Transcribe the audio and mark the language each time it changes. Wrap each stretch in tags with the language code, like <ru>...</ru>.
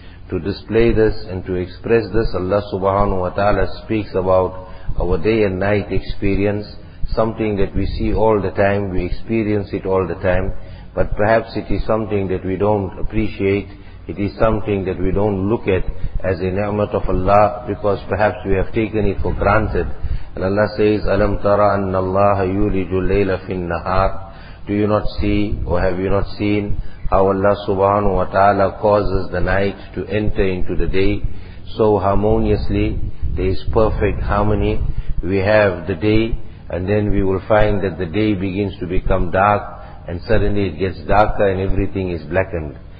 <en>To display this and to express this, Allah subhanahu wa ta'ala speaks about our day and night experience, something that we see all the time, we experience it all the time, but perhaps it is something that we don't appreciate. It is something that we don't look at as a ni'mat of Allah, because perhaps we have taken it for granted. And Allah says,</en> <ar>أَلَمْ تَرَ أَنَّ اللَّهَ يُولِجُ اللَّيْلَ فِي النَّهَارِ.</ar> <en>Do you not see, or have you not seen, how Allah subhanahu wa ta'ala causes the night to enter into the day so harmoniously? There is perfect harmony. We have the day, and then we will find that the day begins to become dark, and suddenly it gets darker and everything is blackened.</en>